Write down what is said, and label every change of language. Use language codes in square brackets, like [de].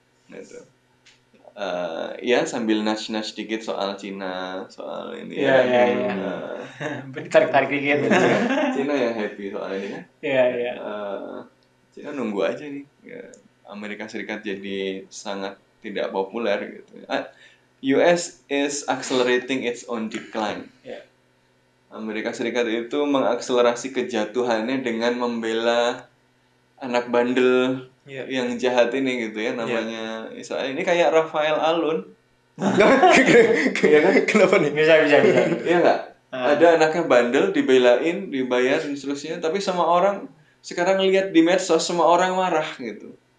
[id] Gitu. Ya sambil nudge-nudge dikit soal Cina, soal ini. Iya, iya, iya. Tarik-tarik dikit. Cina yang happy soal ini. Iya, yeah, iya. Yeah. Cina nunggu aja nih. Amerika Serikat jadi sangat tidak populer gitu. [en] US is accelerating its own decline. Iya. Yeah. [id] Amerika Serikat itu mengakselerasi kejatuhannya dengan membela anak bandel yeah. yang jahat ini gitu ya namanya Israel. Yeah. Ini kayak Rafael Alun. Iya kan? Kenapa nih? Bisa. Iya enggak? Ada anaknya bandel dibelain, dibayar dan seterusnya, tapi semua orang sekarang lihat di medsos semua orang marah gitu.